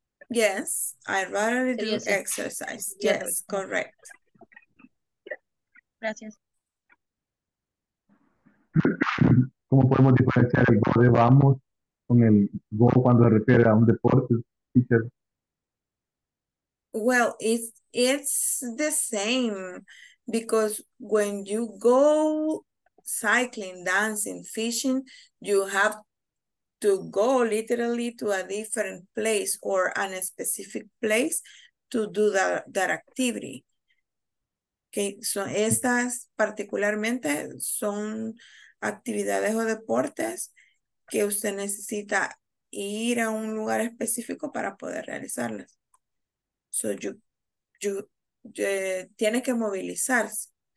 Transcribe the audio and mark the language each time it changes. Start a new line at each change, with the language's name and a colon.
English: Yes, I rarely do exercise. Yes, correct.
Spanish: Gracias. ¿Cómo podemos diferenciar el go de vamos con el go cuando se refiere a un deporte, teacher?
English: Well, it's the same Because when you go cycling, dancing, fishing, you have to go literally to a different place or a specific place to do that activity.
Spanish: Okay, so estas particularmente son actividades o deportes que usted necesita ir a un lugar específico para poder realizarlas. So you tiene que movilizarse.